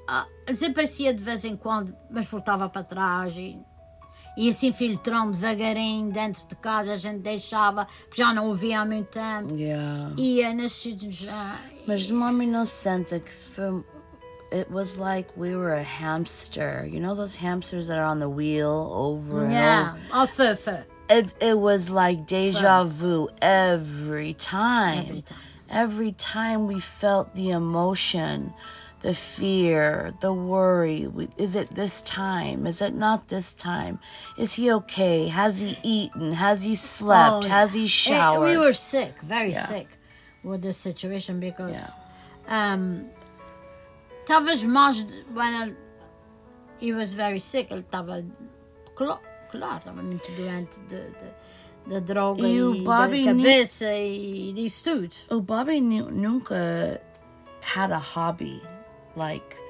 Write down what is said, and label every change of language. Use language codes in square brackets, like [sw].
[pt] Ele desaparecia de vez em quando, mas voltava para trás e ia se infiltrando devagarinho dentro de casa. A gente deixava, porque já não o via há muito tempo. Ia nesses sítios. Mas o mami não senta que se foi. [en] It was like we were a hamster. You know those hamsters that are on the wheel over and over? Yeah, off. It was like deja vu every time. Every time. Every time we felt the emotion, the fear, the worry. Is it this time? Is it not this time? Is he okay? Has he eaten? Has he slept? Oh, has he showered? We were sick, very sick with this situation because... [pt] Talvez mais quando ele [en] was very sick, [pt] ele estava estava muito doente da droga e da cabeça e disso tudo. O Bobby nunca [en] had a hobby, like